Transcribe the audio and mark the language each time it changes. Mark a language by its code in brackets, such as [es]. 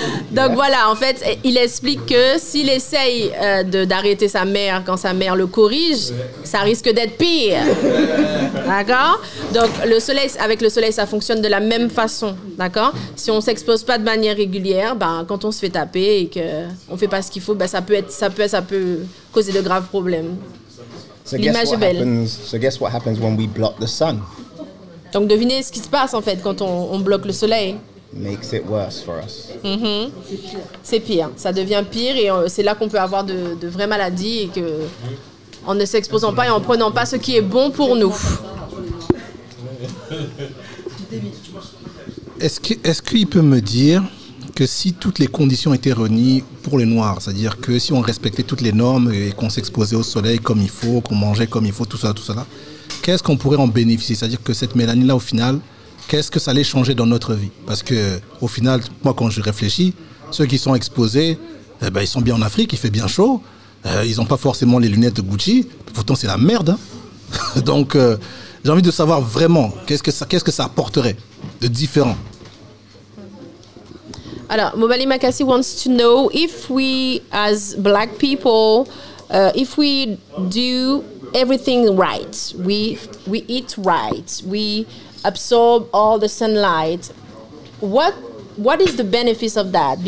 [fr] Donc, voilà, en fait, il explique que s'il essaye d'arrêter sa mère quand sa mère le corrige, ça risque d'être pire. D'accord? Donc, avec le soleil, ça fonctionne de la même façon. D'accord? Si on ne s'expose pas de manière régulière, quand on se fait taper et qu'on ne fait pas ce qu'il faut, ça peut causer de graves problèmes. [en] So [fr] l'image est belle. [en] So guess what happens when we block the sun? [fr] Donc, devinez ce qui se passe, en fait, quand on bloque le soleil. [en] Makes it worse for us. [fr] Mm-hmm. C'est pire. Ça devient pire et c'est là qu'on peut avoir de vraies maladies et que... en ne s'exposant pas et en prenant pas ce qui est bon pour nous. Est-ce qu'il peut me dire que si toutes les conditions étaient réunies pour les Noirs, c'est-à-dire que si on respectait toutes les normes et qu'on s'exposait au soleil comme il faut, qu'on mangeait comme il faut, tout ça, qu'est-ce qu'on pourrait en bénéficier? C'est-à-dire que cette mélanine-là, au final, qu'est-ce que ça allait changer dans notre vie? Parce qu'au final, moi, quand je réfléchis, ceux qui sont exposés, ils sont bien en Afrique, il fait bien chaud. Ils n'ont pas forcément les lunettes de Gucci. Pourtant, c'est la merde. Hein. Donc, j'ai envie de savoir vraiment qu'est-ce que ça apporterait de différent. Alors, [en] Mobali Makassi wants to know if we, as black people, if we do everything right, we eat right, we absorb all the sunlight, what is the benefit of that?